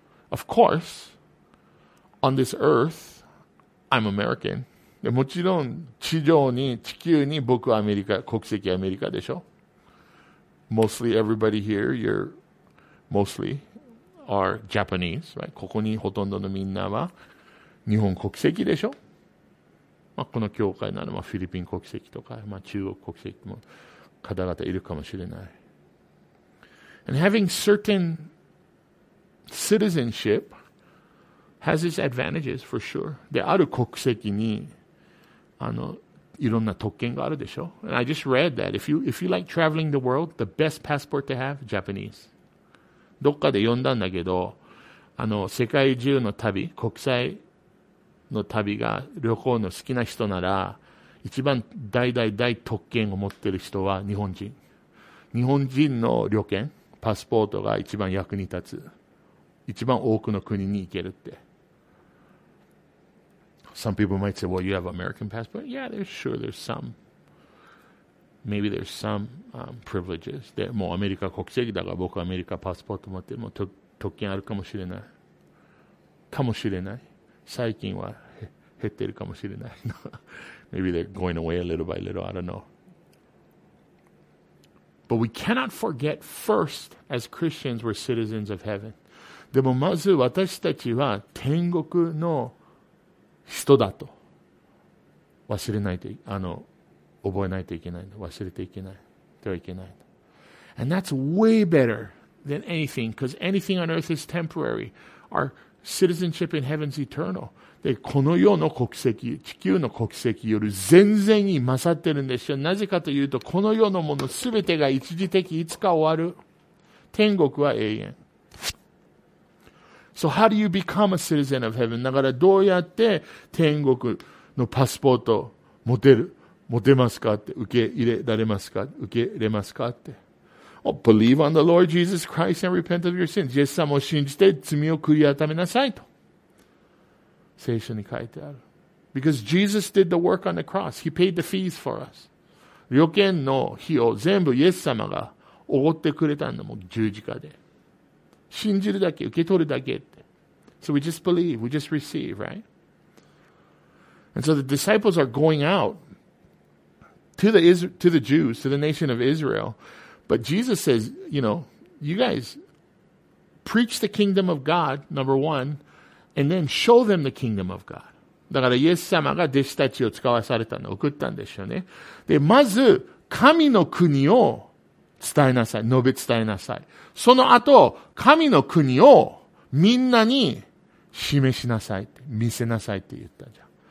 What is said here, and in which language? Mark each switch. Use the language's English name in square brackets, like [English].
[English] Of course, on this earth, I'm American. [Japanese] もちろん、地上に、地球に僕はアメリカ、国籍アメリカでしょ。 [English] Mostly everybody here, you're mostly are Japanese, right? [Japanese] ここにほとんどのみんなは日本国籍でしょ。まあ、この教会ならまあフィリピン国籍とか、まあ、中国国籍も方々いるかもしれない。 [English] And having certain citizenship has its advantages for sure. [Japanese] で、ある国籍にいろんな特権があるでしょ。 [English] And I just read that if you like traveling the world, the best passport to have, Japanese. [Japanese] どっかで読んだんだけど、あの世界中の旅、国際の旅が旅行の好きな人なら、一番大特権を持ってる人は日本人。日本人の旅券、パスポートが一番役に立つ。一番多くの国に行けるって。 [English] Some people might say, well, you have American passport. Yeah, there's sure there's some. Maybe there's some、privileges. [Japanese] That, もうアメリカ国籍だから僕はアメリカパスポート持ってる。もう特権あるかもしれない。かもしれない。最近は減ってるかもしれない。 [English] Maybe they're going away a little by little. I don't know. But we cannot forget first, as Christians, we're citizens of heaven. [Japanese] でもまず私たちは天国の人だと忘れないと、あの、覚えないといけない。忘れていけない。ではいけない。 [English] And that's way better than anything, because anything on earth is temporary. Our citizenship in heaven is eternal. [Japanese] で、この世の国籍、地球の国籍より全然に勝ってるんですよ。なぜかというと、この世のもの全てが一時的、いつか終わる。天国は永遠。 [English] So how do you become a citizen of heaven? [Japanese] だからどうやって天国のパスポート持てる、持てますかって、受け入れられますか、受け入れますかって。 [English] Oh, believe on the Lord Jesus Christ and repent of your sins. [Japanese] イエス様を信じて罪を悔い改めなさいと。聖書に書いてある。 [English] Because Jesus did the work on the cross. He paid the fees for us. [Japanese] 旅券の費用全部イエス様がおごってくれたのも十字架で。信じるだけ、受け取るだけって。 [English] So we just believe, we just receive, right? And so the disciples are going out to the Jews, to the nation of Israel. But Jesus says, you know, you guys preach the kingdom of God, number one, and then show them the kingdom of God. [Japanese] だからイエス様が弟子たちを使わされたの、送ったんでしょうね。で、まず神の国を伝えなさい。述べ伝えなさい。その後、神の国をみんなに示しなさいって、見せなさいって言ったじゃん。